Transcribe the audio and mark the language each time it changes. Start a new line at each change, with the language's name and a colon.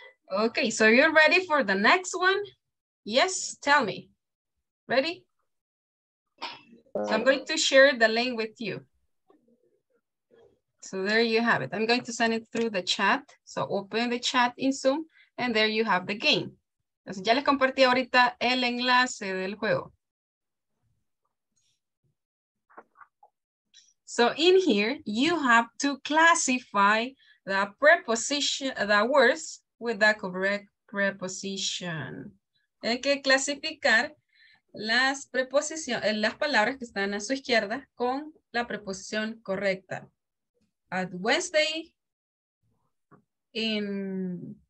English: Okay, so you're ready for the next one? Yes, tell me. Ready? So I'm going to share the link with you. So there you have it. I'm going to send it through the chat. So open the chat in Zoom, and there you have the game.
Spanish: Entonces ya les compartí ahorita el enlace del juego.
English: So in here, you have to classify the preposition, the words with the correct preposition.
Spanish: Hay que clasificar las preposiciones, las palabras que están a su izquierda con la preposición correcta.
English: At Wednesday, in